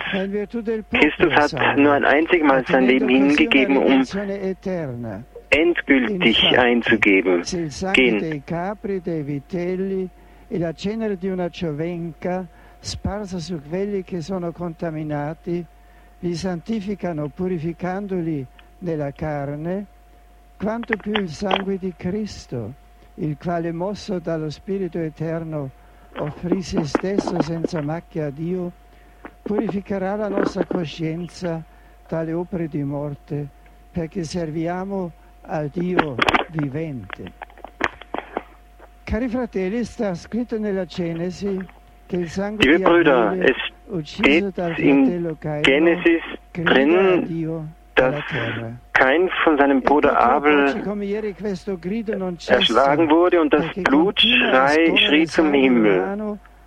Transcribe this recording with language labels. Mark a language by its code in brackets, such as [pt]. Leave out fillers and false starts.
[de] Christus hat nur ein einziges Mal sein Leben hingegeben, um endgültig einzugeben. [it] Sparsa su quelli che sono contaminati, li santificano purificandoli nella carne, quanto più il sangue di Cristo, il quale mosso dallo Spirito Eterno offrì se stesso senza macchia a Dio, purificherà la nostra coscienza dalle opere di morte, perché serviamo al Dio vivente. Cari fratelli, sta scritto nella Genesi. [de] Liebe Brüder, es steht in Genesis drin, dass Kain von seinem Bruder Abel erschlagen wurde und das Blutschrei schrie zum Himmel.